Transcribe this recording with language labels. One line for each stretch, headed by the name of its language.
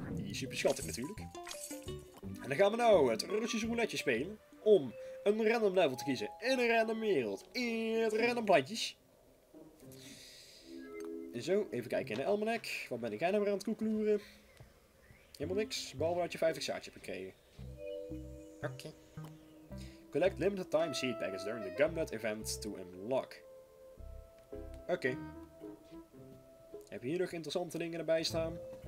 Dutch: Die is super schattig natuurlijk. En dan gaan we nou het Russische roulette spelen. Om een random level te kiezen in een random wereld. In het random plantjes. En zo, even kijken in de almanac. Wat ben ik nou weer aan het koekloeren? Helemaal niks, behalve dat je 50 zaadjes hebt gekregen. Oké.
English: Collect limited time seed packets during the Gumnut event to unlock.
Dutch: Oké. Heb je hier nog interessante dingen erbij staan?